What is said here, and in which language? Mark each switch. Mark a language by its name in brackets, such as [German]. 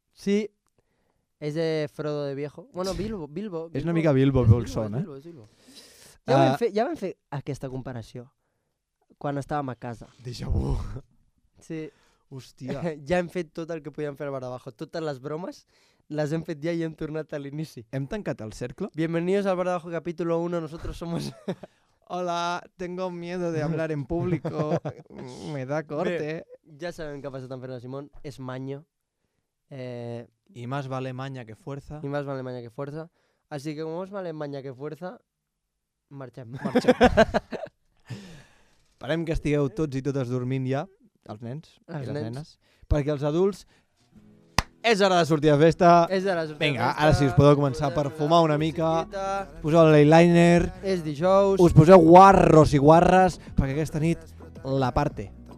[Catalan] Sí. És de Frodo de Viejo. Bueno, Bilbo. És una mica Bilbo, Bilbo el son, és Bilbo, eh? Bilbo. Ja vam fer aquesta comparació. Quan estàvem a casa. Déjà vu. Sí. Hòstia. Ja hem fet tot el que podíem fer al bar d'abajo. Totes les bromes les hem fet ja i hem tornat a l'inici. Hem tancat el cercle? [Spanish] Bienvenidos al bar d'abajo capítulo 1. Nosotros somos... Hola, tengo miedo de hablar en público. Me da corte. Bé, [Catalan] ja sabem què ha passat amb Fernando Simón. És maño. [Spanish] Y más vale maña que fuerza. Y más vale maña que fuerza. Así que como más vale maña que fuerza, marxem. [Catalan] Esperem que estigueu tots i totes dormint ja, els nens els i les nens. Nenes, perquè els adults, és hora de sortir de festa. És hora de sortir. Vinga, de festa. Ara sí, us podeu començar a perfumar una mica, poseu l'eyeliner. És dijous. Us poseu guarros i guarres, perquè aquesta nit, [Spanish] la parte.